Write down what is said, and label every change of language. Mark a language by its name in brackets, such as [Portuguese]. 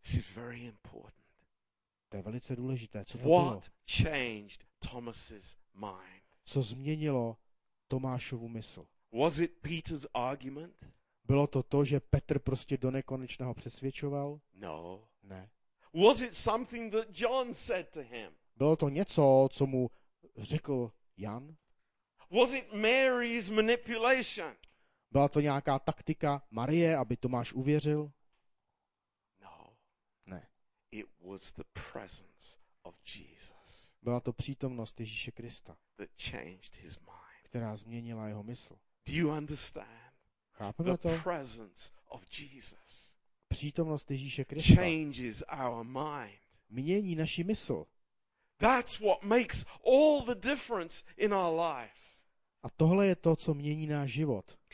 [English] This is very important. [Czech] To je velice důležité. Co to [English] What [Czech] bylo? [English] Changed Thomas's mind? [Czech] Co změnilo Tomášovu mysl? [English] Was it Peter's argument? [Czech] Bylo to, že Petr prostě do nekonečna ho přesvědčoval? [English] No. [Czech] Ne. [English] Was it something that John said to him? [Czech] Bylo to něco, co mu řekl Jan? [English] Was it Mary's manipulation? [Czech] Byla to nějaká taktika Marie, aby Tomáš uvěřil? [English] No. [Czech] Ne. [English] It was the presence of Jesus. [Czech] Byla to přítomnost Ježíše Krista, [English] that changed his mind. [Czech] Která změnila jeho mysl. [English] Do you understand? [Czech] Chápeme to? [English] The presence of Jesus. [Czech] Přítomnost Ježíše Krista [English] changes our mind. [Czech] Mění naši mysl. [English] That's what makes all the difference in our lives. [Czech] A tohle je to, co mění náš život.